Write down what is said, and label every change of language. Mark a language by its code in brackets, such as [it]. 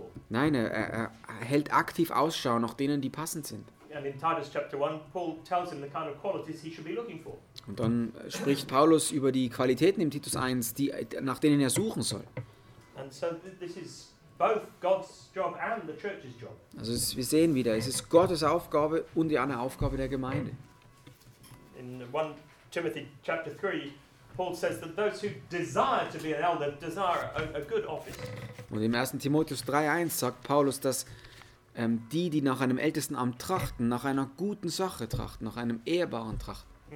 [de] Nein, er hält aktiv Ausschau nach denen, die passend sind. [en] And in Titus chapter 1, Paul tells him the kind of qualities he should be looking for. [de] Und dann spricht Paulus über die Qualitäten im Titus 1, die, nach denen er suchen soll. [en] And so this is both God's job and the church's job. [de] Also wir sehen wieder, es ist Gottes Aufgabe und die andere Aufgabe der Gemeinde. [en] In 1 Timothy chapter 3, Paul says that those who desire to be an elder desire a good office. [de] Und im 1. Timotheus 3,1 sagt Paulus, dass die nach einem Ältestenamt trachten, nach einer guten Sache trachten, nach einem ehrbaren trachten.